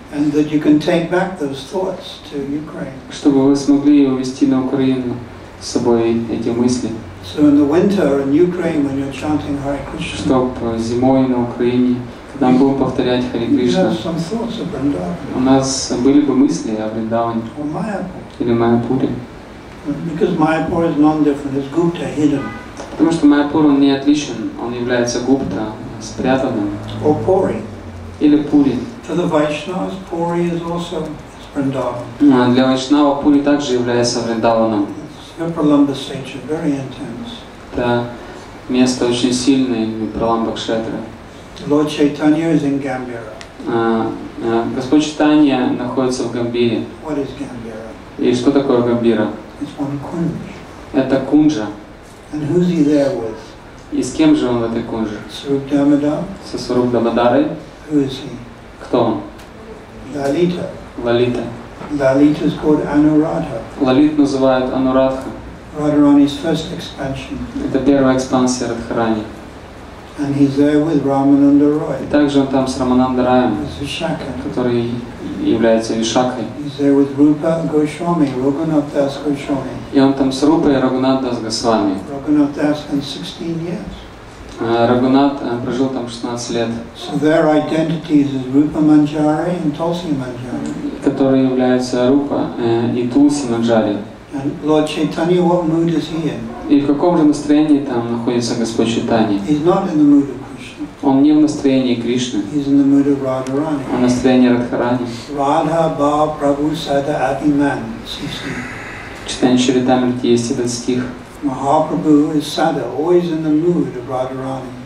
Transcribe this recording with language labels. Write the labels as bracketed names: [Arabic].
[English] And that you can take back those thoughts to Ukraine. [Russian] Чтобы вы смогли увести на Украину с собой эти мысли. [English] So in the winter in Ukraine, when you're chanting Hare Krishna. [Russian] Чтобы зимой на Украине, когда мы будем повторять Харе Кришна. [English] You have some thoughts of Vrindavan. [Russian] У нас были бы мысли о Вриндаване. [English] Or Mayapur. [Russian] Или Майяпуре. [English] Because Mayapur is non-different, it's Gupta hidden. [Russian] Потому что Майяпур он не отличен, он является Гупта спрятанным. [English] Or Puri. [Russian] Или Пури. [English] For the Vaishnavas, Puri is also Vriндаван. [Russian] А для Вайшнава Пури также является Вриндаваном. [English] Very intense. [Russian] Это место очень сильное, Нипро КШЕТРА. [English] Lord Chaitanya is in Gambira. [Russian] Господь Чайтанья находится в Гамбире. [English] What is Gambira? [Russian] И что такое Гамбира? [English] It's one kunj. [Russian] Это кунжа. [English] And who's he there with? [Russian] И с кем же он в этой кунже? Со Сваруп Дамодарой. [English] Who is he? [Russian] Кто он? Лалита. Лалита. [English] Lalita is called Anuradha. [Russian] Лалит называют Анурадха. [English] Radharani's first expansion. [Russian] Это первая экспансия Радхарани. [English] And he's there with Ramananda Roy. [Russian] И также он там с Рамананда Раем, [English] Vishakha, [Russian] который является Вишакхой. [English] He's there with Rupa Goswami, Raghunath Das Goswami. [Russian] И он там с Рупой Рагунат Дас Госвами. [English] Raghunath Das spent 16 years. [Russian] Рагунат прожил там 16 лет. [English] So their identities is Rupa Manjari and Tulsi Manjari. [Russian] Которые являются Рупа и Тулси Манджари. [English] And Lord Chaitanya, what mood is he in? [Russian] И в каком же настроении там находится Господь Чайтанья? [English] He's not in the mood of Krishna. [Russian] Он не в настроении Кришны. [English] He's in the mood of Radharani. [Russian] Он в настроении Радхарани. [Bangla] Radha Ba Prabhu Sada Abhiman. [Russian] Читание Чаритамриты есть этот стих. [English] Mahaprabhu is Sada, always in the mood of Radharani.